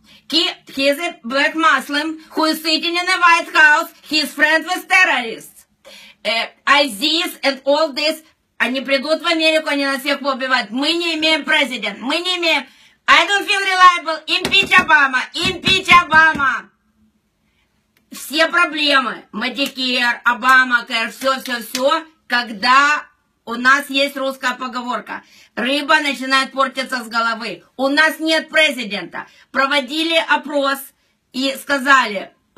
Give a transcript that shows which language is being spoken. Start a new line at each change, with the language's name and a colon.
English: He is a black Muslim who is sitting in the White House. He is friend with terrorists. ISIS and all this.
Russian: Они придут в Америку, они нас всех поубивают. Мы не имеем президента. Мы не имеем...
English: I don't feel reliable. Impeach Obama. Impeach Obama.
Russian: Все проблемы. Medicare, Obamacare, все. Когда у нас есть русская поговорка. Рыба начинает портиться с головы. У нас нет президента. Проводили опрос и сказали.